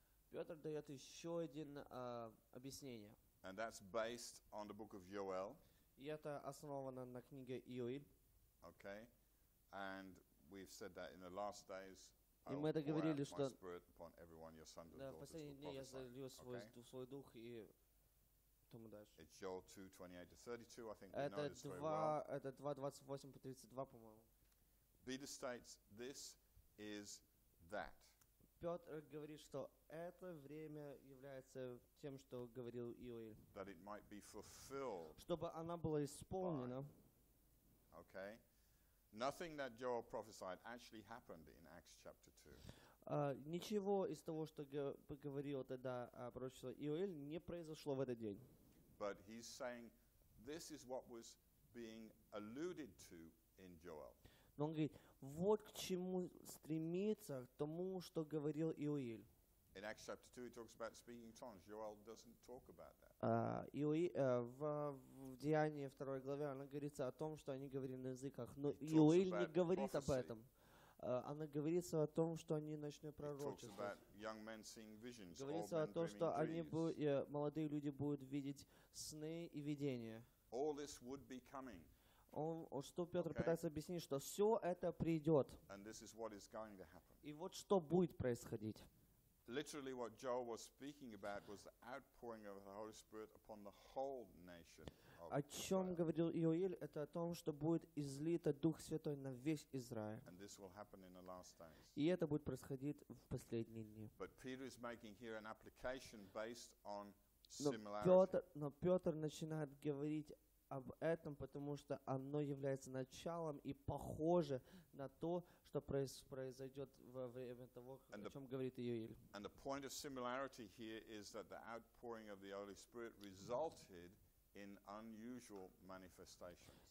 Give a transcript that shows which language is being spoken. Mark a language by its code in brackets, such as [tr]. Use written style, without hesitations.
[ru] Петр дает еще один объяснение. [en] And that's based on the book of Joel. [ru] И это основано на книге Иоэль. [en] Okay. And we've said that in the last days. [ru] И мы это говорили, что [en] my spirit upon everyone, your sons and daughters will prophesy. [ru] Да, последние дни я залью свой дух и тому дальше. [en] It's Joel 2:28-32. I think [ru] это [en] we know this very well. [ru] Это 2:28-32, по-моему. [en] Peter states, "This is that." [ru] Петр говорит, что это время является тем, что говорил Иоэль. Чтобы она была исполнена. [en] Okay. Nothing that Joel prophesied actually happened in Acts chapter 2. [ru] Ничего из того, что говорил тогда пророчество Иоэль, не произошло в этот день. [en] But he's saying this is what was being alluded to in Joel. [ru] Но он говорит, вот к чему стремится, к тому, что говорил Иоэль. [en] In Acts chapter 2 he talks about speaking tongues. Joel doesn't talk about that. [ru] В Деянии 2 главе она говорится о том, что они говорили на языках. Но Иоэль не говорит об этом. Она говорится о том, что они начнут пророчествовать. Говорится о том, что молодые люди будут видеть сны и видения. [en] All this would be coming. [ru] Что Петр okay. пытается объяснить, что все это придет. [en] And this is what is going to happen. [ru] И вот что будет происходить. [en] Literally what Joel was speaking about was the outpouring of the Holy Spirit upon the whole nation of Israel. [ru] О чем говорил Иоэль, это о том, что будет излито Дух Святой на весь Израиль. [en] And this will happen in the last days. [ru] И это будет происходить в последние дни. [en] But Peter is making here an application based on similarity. [ru] Но Петр начинает говорить об этом, потому что оно является началом и похоже на то, что произойдет во время того, о чем говорит Иоэль. [en] And the point of similarity here is that the outpouring of the Holy Spirit resulted in unusual manifestations.